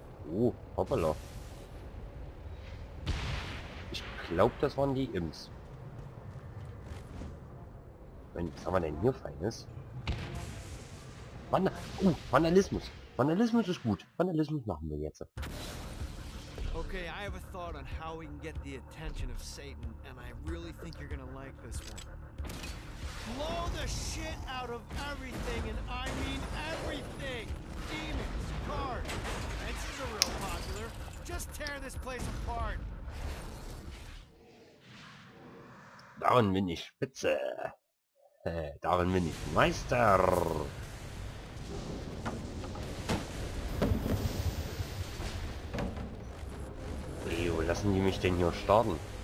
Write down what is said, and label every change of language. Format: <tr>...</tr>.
<de>Oh, hoppala. Ich glaube, das waren die Imps. Was haben wir denn hier Feines? Vandalismus. Vandalismus ist gut. Vandalismus machen wir jetzt.</de> <en>Okay, I have a thought on how we can get the attention of Satan, and I really think you're gonna like this one. Blow the shit out of everything, and I mean everything! Demons, cards, fences are real popular. Just tear this place apart!</en> <de>Darin bin ich Spitze. Darin bin ich Meister. lassen die mich denn hier starten?</de>